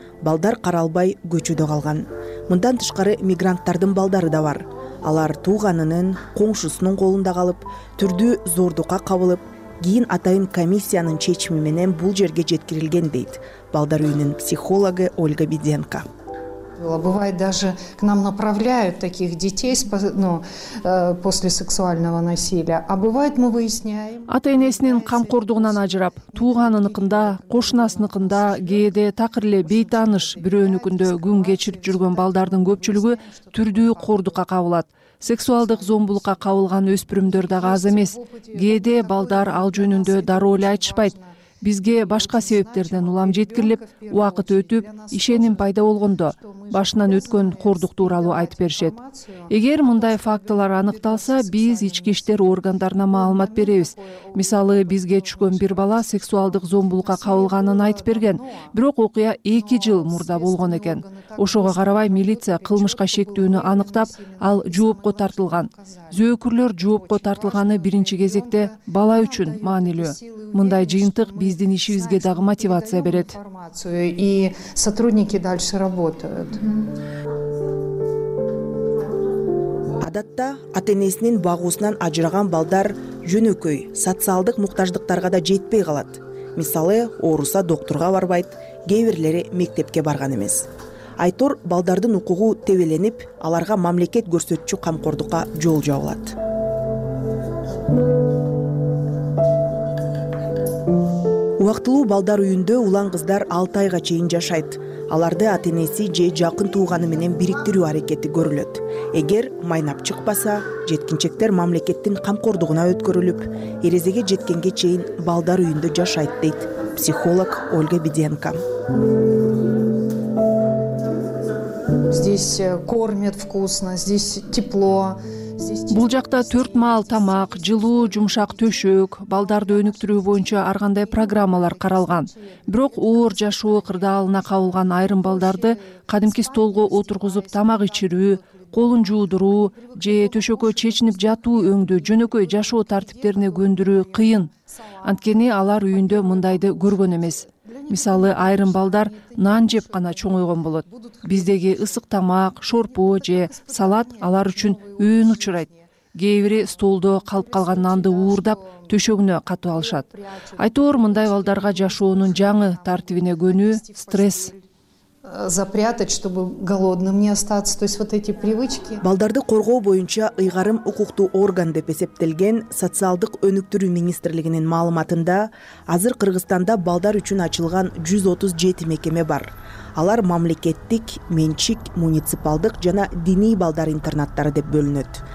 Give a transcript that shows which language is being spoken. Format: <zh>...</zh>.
<ky>Балдар каралбай көчөдө калган. Мындан тышкары мигранттардын балдары да бар. Алар тууганынын, коңшусунун колунда калып, түрдүү зордукка кабылып, кийин атайын комиссиянын чечими менен бул жерге жеткирилген дейт балдар үйүнүн психологу Ольга Беденко.</ky> <ru>Бывает, даже к нам направляют таких детей после сексуального насилия. А бывает, мы выясняем.</ru> <ky>Ата-энесинин камкордугунан ажырап, тууганыныкында, кошунасыныкында, кээде такыр эле бейтааныш бирөөнүкүндө күн кечирип жүргөн балдардын көпчүлүгү түрдүү кордукка кабылат. Сексуалдык зомбулукка кабылган өспүрүмдөр дагы аз эмес. Кээде балдар ал жөнүндө дароо эле айтышпайт. Бизге башка себептерден улам жеткирилип, убакыт өтүп, ишеним пайда болгондо башынан өткөн кордук тууралуу айтып беришет. Эгер мындай фактылар аныкталса, биз ички иштер органдарына маалымат беребиз. Мисалы, бизге түшкөн бир бала сексуалдык зомбулукка кабылганын айтып берген, бирок окуя 2 жыл мурда болгон экен. Ошого карабай милиция кылмышка шектүүнү аныктап, ал жоопко тартылган. Зөөкүрлөр жоопко тартылганы биринчи кезекте бала үчүн маанилүү. Мындай жыйынтык биздин ишибизге дагы мотивация берет.</ky> <ru>И сотрудники дальше работают.</ru> <ky>Адатта ата-энесинин багуусунан ажыраган балдар жөнөкөй социалдык муктаждыктарга да жетпей калат. Мисалы, ооруса доктурга барбайт, кээ бирлери мектепке барган эмес. Айтор балдардын укугу тебеленип, аларга мамлекет көрсөтчү камкордукка жол жабылат. Убактылуу балдар үйүндө улан кыздар 6 айга чейин жашайт. Аларды ата-энеси же жакын тууганы менен бириктирүү аракети көрүлөт. Эгер майнап чыкпаса, жеткинчектер мамлекеттин камкордугуна өткөрүлүп, эрезеге жеткенге чейин балдар үйүндө жашайт, дейт психолог Ольга Беденко.</ky> <ru>Здесь кормят вкусно, здесь тепло.</ru> <ky>Бул жакта 4 маал тамак, жылуу жумшак төшөк, балдарды өнүктүрүү боюнча ар кандай программалар каралган. Бирок оор жашоо кырдаалына кабылган айрым балдарды кадимки столго отургузуп тамак ичирүү, колун жуудуруу же төшөккө чечинип жатуу өңдүү жөнөкөй жашоо тартиптерине көндүрүү кыйын. Анткени алар үйүндө мындайды көргөн эмес. Мисалы, айрым балдар нан жеп гана чоңойгон болот. Биздеги ысык тамак, шорпо же салат алар үчүн өөн учурайт. Кээ бири столдо калып калган нанды уурдап, төшөгүнө катып алышат. Айтор, мындай балдарга жашоонун жаңы тартибине көнүү стресс.</ky> <ru>Запрятать, чтобы голодным не остаться. То есть вот эти привычки.</ru> <ky>Балдарды коргоо боюнча ыйгарым укуктуу орган деп эсептелген социалдык өнүктүрүү министрлигинин маалыматында азыр Кыргызстанда балдар үчүн ачылган 137 мекеме бар. Алар мамлекеттик, менчик, муниципалдык жана диний балдар интернаттары деп бөлүнөт.</ky>